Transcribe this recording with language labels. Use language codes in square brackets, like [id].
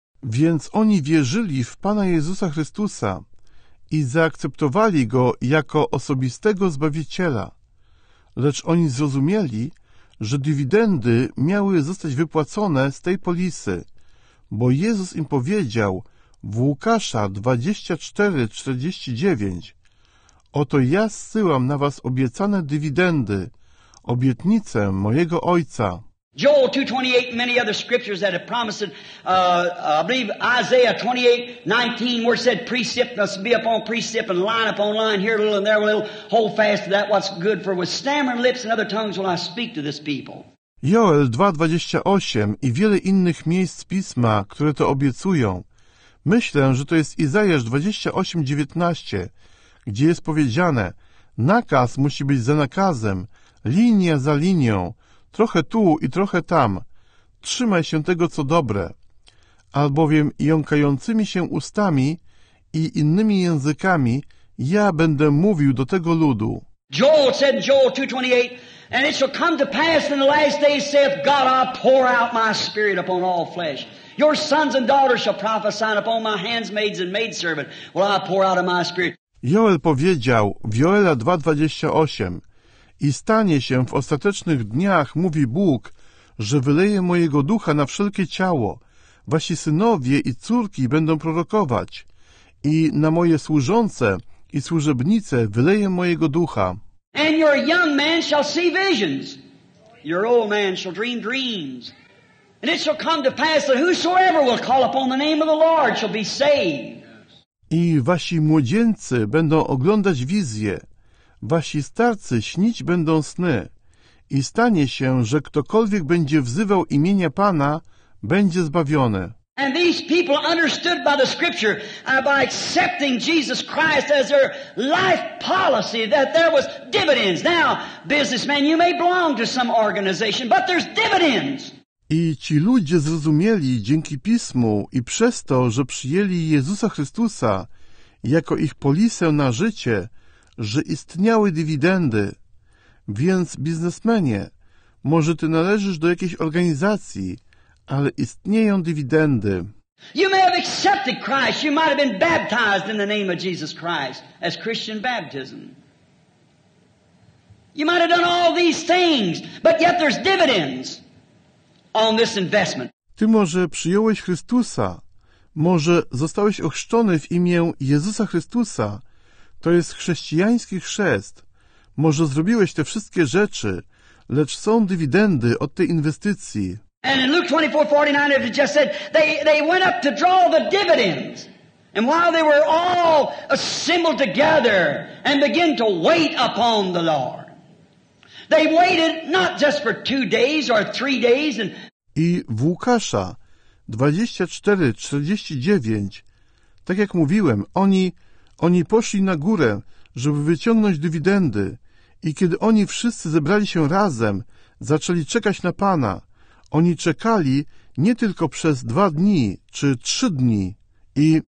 [pl] Więc oni wierzyli w Pana Jezusa Chrystusa i zaakceptowali Go jako osobistego Zbawiciela. Lecz oni zrozumieli, że dywidendy miały zostać wypłacone z tej polisy, bo Jezus im powiedział w Łukasza 24:49: oto ja zsyłam na was obiecane dywidendy, obietnicę mojego Ojca. [en] Joel 2:28, many other scriptures that have promised it. I believe Isaiah 28:19, where it said precept must be upon precept and line upon line, here a little and there a little, hold fast to that what's good, for with stammering lips and other tongues will I speak to this people. [pl] Joel 2:28 i wiele innych miejsc Pisma, które to obiecują. Myślę, że to jest Izajasz 28:19, gdzie jest powiedziane, nakaz musi być za nakazem, linia za linią, trochę tu i trochę tam. Trzymaj się tego, co dobre. Albowiem jąkającymi się ustami i innymi językami ja będę mówił do tego ludu. [en] Joel said in Joel 2:28, and it shall come to pass in the last days, saith God, I pour out my spirit upon all flesh. Your sons and daughters shall prophesy, and upon my handmaids and maidservant will I pour out of my spirit. [pl] Joel powiedział w Joela 2:28, i stanie się w ostatecznych dniach, mówi Bóg, że wyleje mojego ducha na wszelkie ciało. Wasi synowie i córki będą prorokować. I na moje służące i służebnice wyleje mojego ducha. [en] And your young man shall see visions. Your old man shall dream dreams. And it shall come to pass that whosoever will call upon the name of the Lord shall be saved. [pl] I wasi młodzieńcy będą oglądać wizje. Wasi starcy śnić będą sny i stanie się, że ktokolwiek będzie wzywał imienia Pana, będzie zbawiony. [en] And these people understood by the scripture, by accepting Jesus Christ as their life policy, that there was dividends. Now, businessman, you may belong to some organization, but there's dividends. [pl] I ci ludzie zrozumieli dzięki Pismu i przez to, że przyjęli Jezusa Chrystusa jako ich polisę na życie, że istniały dywidendy. Więc, biznesmenie, może ty należysz do jakiejś organizacji, ale istnieją dywidendy. [en] You may have accepted Christ. You might have been baptized in the name of Jesus Christ as Christian baptism. You might have done all these things, but yet there's dividends on this investment. [pl] Ty może przyjąłeś Chrystusa, może zostałeś ochrzczony w imię Jezusa Chrystusa, to jest chrześcijański chrzest, może zrobiłeś te wszystkie rzeczy, lecz są dywidendy od tej inwestycji. [en] And in Luke 24:49, it just said they went up to draw the dividends. And while they were all assembled together and began to wait upon the Lord, they waited not just for 2 days or 3 days. And [pl] i w Łukasza 24:49, tak jak mówiłem, oni poszli na górę, żeby wyciągnąć dywidendy. I kiedy oni wszyscy zebrali się razem, zaczęli czekać na Pana. Oni czekali nie tylko przez 2 dni czy 3 dni i